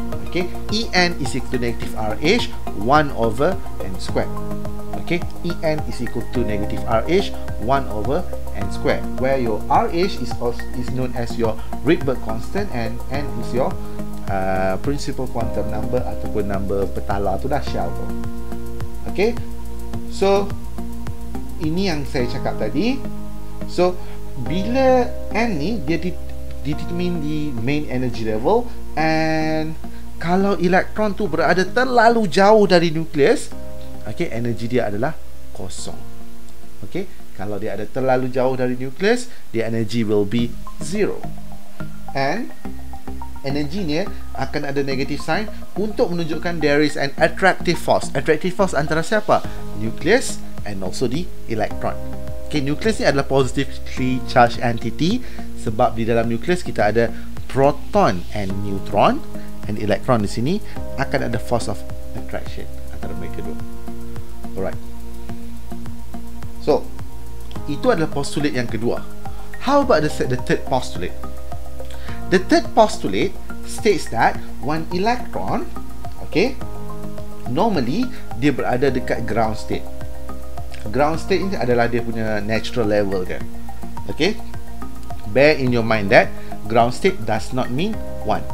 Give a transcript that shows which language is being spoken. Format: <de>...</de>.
<en>Okay, En is equal to negative RH 1 over N square. Okay, En is equal to negative RH 1 over N square, where your RH is known as your Rydberg constant and N is your principal quantum number</en> <ms>ataupun number petala tu dah,</ms> <en>shell tu.</en> <ms>Okay, so ini yang saya cakap tadi. So, bila N ni dia</ms> <en>determine the main energy level,</en> <ms>and kalau elektron tu berada terlalu jauh dari nukleus, okay, energy dia adalah kosong. Okay, kalau dia ada terlalu jauh dari nukleus,</ms> <en>the energy will be zero. And energy</en> <ms>ni akan ada</ms> <en>negative sign</en> <ms>untuk menunjukkan</ms> <en>there is an attractive force. Attractive force</en> <ms>antara siapa?</ms> <en>Nucleus and also the electron.</en> <ms>Okay, nucleus ni adalah</ms> <en>positively charged entity</en> <ms>sebab di dalam nucleus kita ada proton and neutron, and electron di sini akan ada</ms> <en>force of attraction</en> <ms>antara mereka dua. Alright. So, itu adalah postulate yang kedua.</ms> <en>How about the third postulate? The third postulate states that one electron, okay, normally</en> <ms>dia berada dekat</ms> <en>ground state.</en> <ms>Ground state ini adalah dia punya natural level dia.</ms> <en>Okay, bear in your mind that ground state does not mean one.</en>